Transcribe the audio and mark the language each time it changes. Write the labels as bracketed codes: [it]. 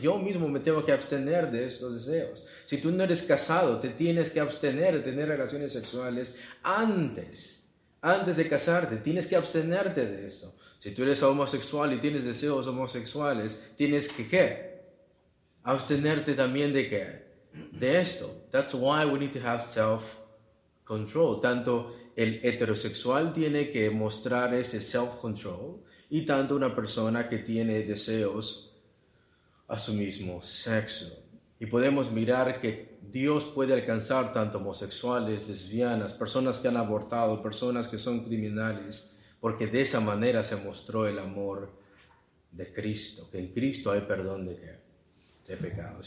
[es] Yo mismo me tengo que abstener de estos deseos. Si tú no eres casado, te tienes que abstener de tener relaciones sexuales antes de casarte. Tienes que abstenerte de esto. Si tú eres homosexual y tienes deseos homosexuales, tienes que ¿qué? Abstenerte también de ¿qué? De esto. [en] That's why we need to have self-control. [es] Tanto el heterosexual tiene que mostrar ese self-control y tanto una persona que tiene deseos a su mismo sexo. Y podemos mirar que Dios puede alcanzar tanto homosexuales, lesbianas, personas que han abortado, personas que son criminales, porque de esa manera se mostró el amor de Cristo, que en Cristo hay perdón de pecados.